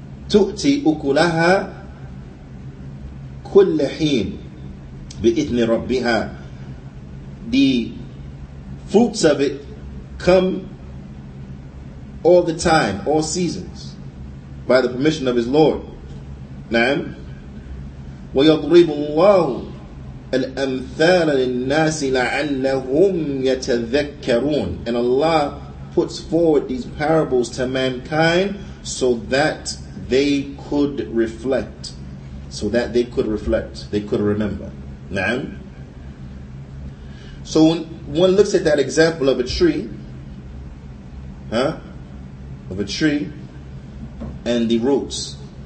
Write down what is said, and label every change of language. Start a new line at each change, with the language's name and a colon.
Arabic: تؤتي أكلها كل حين بإذن ربها.
English: The fruits of it come all the time, all seasons, by the permission of his Lord.
Arabic: نعم. ويضرب الله الأمثال للناس لعلهم يتذكرون.
English: And Allah puts forward these parables to mankind so that they could reflect. So that they could reflect. They could remember. نعم. So when one looks at that example of a tree, of a tree, and the roots.